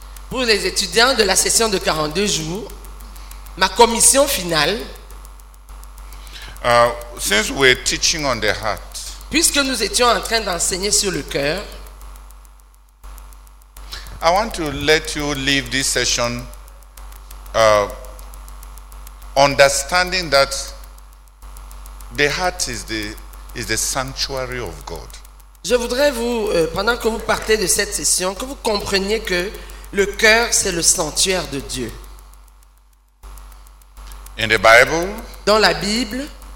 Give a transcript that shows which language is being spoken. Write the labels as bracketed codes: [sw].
[fr] Pour les étudiants de la session de 42 jours, ma commission finale. [en] Since we're teaching on the heart. [fr] Puisque nous étions en train d'enseigner sur le cœur. [en] I want to let you leave this session understanding that the heart is the sanctuary of God. [fr] Je voudrais vous pendant que vous partez de cette session que vous compreniez que le cœur c'est le sanctuaire de Dieu. [en] In the Bible. [fr] Dans la Bible.